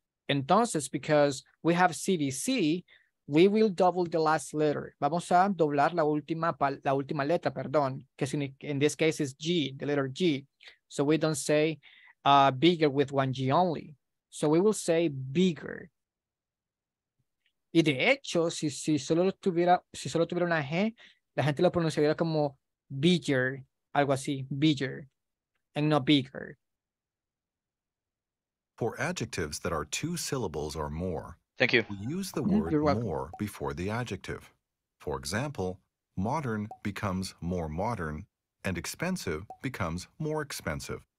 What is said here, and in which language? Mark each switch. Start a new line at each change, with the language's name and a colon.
Spanish: Entonces,
English: because we have CVC, we will double the last letter.
Spanish: Vamos a doblar la última letra, perdón, que
English: in this case is G, the letter G. So we don't say bigger with one G only. So we will say bigger.
Spanish: Y de hecho, si solo tuviera una G, la gente lo pronunciaría como bigger. Algo así,
English: bigger, and not bigger. For adjectives that are two syllables or more, thank you. We use the word more before the adjective. For example, modern becomes more modern, and expensive becomes more expensive.